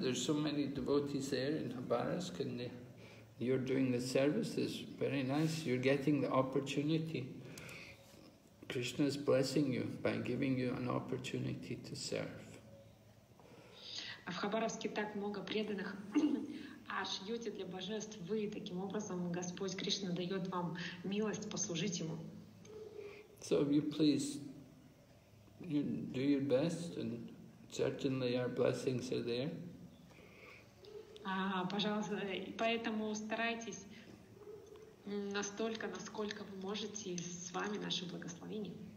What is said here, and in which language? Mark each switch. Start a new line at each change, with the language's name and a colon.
English: There's so many devotees there in Habarovsk, and you're doing the services. Very nice. You're getting the opportunity. Krishna is blessing you by giving you an opportunity to serve.
Russian: В Хабаровске так много преданных. А шьете для божеств вы, таким образом Господь Кришна дает вам милость послужить ему.
English: So if you please, you do your best, and certainly our blessings are there.
Russian: Пожалуйста, поэтому старайтесь настолько, насколько вы можете, с вами наше благословение.